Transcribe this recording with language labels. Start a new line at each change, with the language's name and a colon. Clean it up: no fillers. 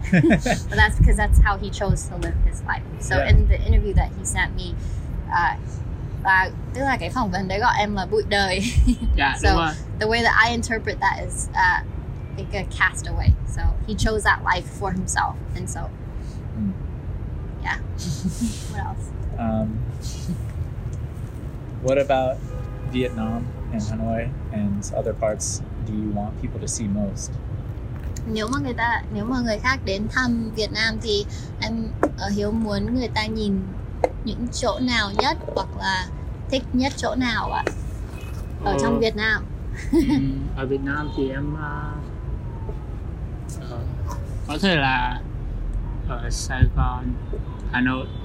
English: But that's because that's how he chose to live his life. So yeah. In the interview that he sent me,
Vietnamese: tức là cái phỏng vấn đấy gọi em là bụi đời.
English: Yeah, so the way that I interpret that is like a castaway. So he chose that life for himself, and so yeah. What else? What about Vietnam and Hanoi and other parts do you want people to see most?
Vietnamese: Nếu mà người khác đến thăm Việt Nam thì em ở Hiếu muốn người ta nhìn những chỗ nào nhất hoặc là thích nhất chỗ nào ạ? Ở trong Việt Nam. Ở Việt Nam thì em có thể là ở Sài Gòn, Hà Nội.